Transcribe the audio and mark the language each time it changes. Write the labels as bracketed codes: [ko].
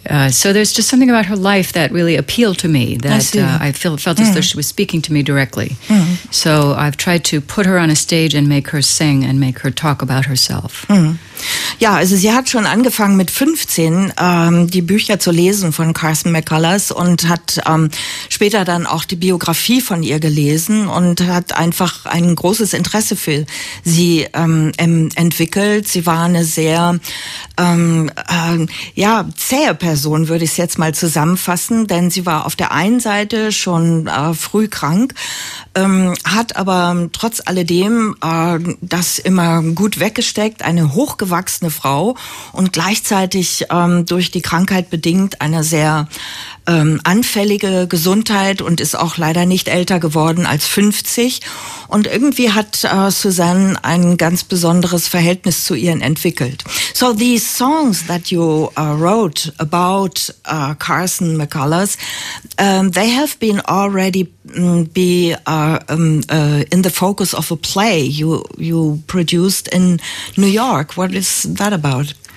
[en] So there's just something about her life that really appealed to me, that I felt as though she was speaking to me directly. Mm-hmm. So I've tried to put her on a stage and make her sing and make her talk about herself. Mm-hmm. [de] Ja, also sie hat schon angefangen mit 15 die Bücher zu lesen von Carson McCullers und hat später dann auch die Biografie von ihr gelesen und hat einfach ein großes Interesse für sie entwickelt. Sie war eine sehr zähe Person, würde ich es jetzt mal zusammenfassen, denn sie war auf der einen Seite schon früh krank, hat aber trotz alledem das immer gut weggesteckt, eine hochgewachsene Frau und gleichzeitig durch die Krankheit bedingt eine sehr anfällige Gesundheit und ist auch leider nicht älter geworden als 50. Und irgendwie hat Suzanne ein ganz besonderes Verhältnis zu ihr entwickelt. [en] So these songs that you wrote about Carson McCullers, they have been already in the focus of a play you produced in New York. What is that about?